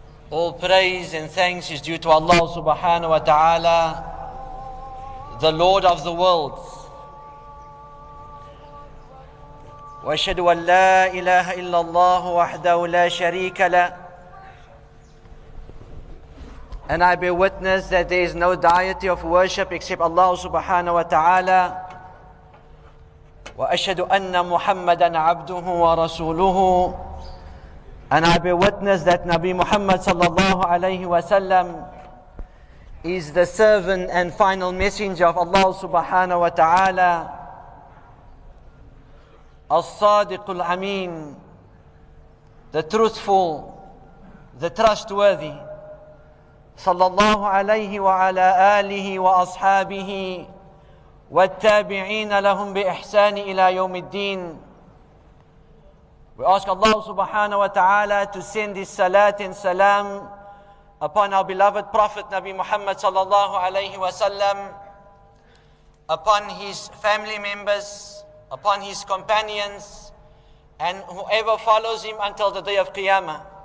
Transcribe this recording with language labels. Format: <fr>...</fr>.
<en>All praise and thanks is due to Allah subhanahu wa ta'ala, the Lord of the worlds.</en> <ar>وأشهد أن لا إله إلا الله وحده لا شريك له.</ar> <en>And I bear witness that there is no deity of worship except Allah subhanahu wa ta'ala.</en> <ar>وأشهد أن محمدًا عبده ورسوله.</ar> <en>And I bear witness that Nabi Muhammad sallallahu alayhi wa sallam is the servant and final messenger of Allah subhanahu wa ta'ala.</en> <ar>الصادق الأمين,</ar> <en>the truthful, the trustworthy,</en> <ar>صلى الله عليه وعلى آله وأصحابه والتابعين لهم بإحسان إلى يوم الدين.</ar> <en>We ask Allah subhanahu wa ta'ala to send his salat and salam upon our beloved Prophet Nabi Muhammad</en> <ar>صلى الله عليه وسلم,</ar> <en>upon his family members, upon his companions, and whoever follows him until the day of Qiyamah.</en>